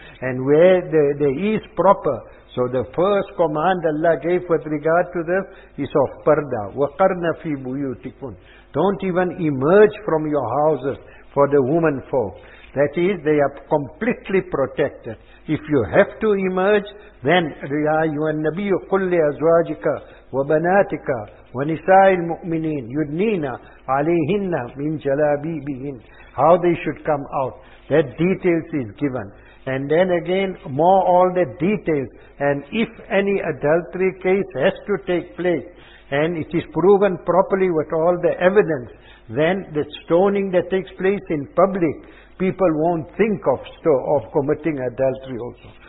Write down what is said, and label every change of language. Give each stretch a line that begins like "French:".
English: And where there is proper, so the first command Allah gave with regard to this is of parda.
Arabic: وَقَرْنَ فِي بُيُوتِكُنْ.
English: Don't even emerge from your houses for the woman folk. That is, they are completely protected. If you have to emerge, then
Arabic: يَا أَيُّهَا النَّبِيُّ قُلْ لِأَزْوَاجِكَ وَبَنَاتِكَ وَنِسَاءِ الْمُؤْمِنِينَ يُدْنِينَ عَلَيْهِنَّ مِنْ جَلَابِيبِهِنْ.
English: How they should come out. That details is given. And then again, more all the details. And if any adultery case has to take place, and it is proven properly with all the evidence, then the stoning that takes place in public, people won't think of committing adultery also.